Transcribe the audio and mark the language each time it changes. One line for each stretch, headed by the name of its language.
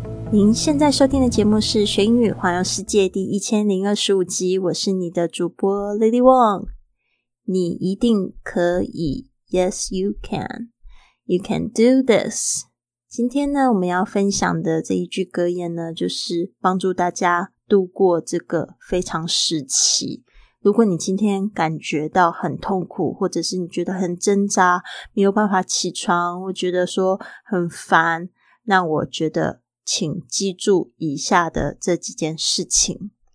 Chinese: 您现在收听的节目是《学英语环游世界》第1025集，我是你的主播 Lily Wong。你一定可以
English: ，Yes you can, you can do this。
Chinese: 今天呢，我们要分享的这一句格言呢，就是帮助大家度过这个非常时期。如果你今天感觉到很痛苦，或者是你觉得很挣扎，没有办法起床，或觉得说很烦，那我觉得请记住以下的这几件事情。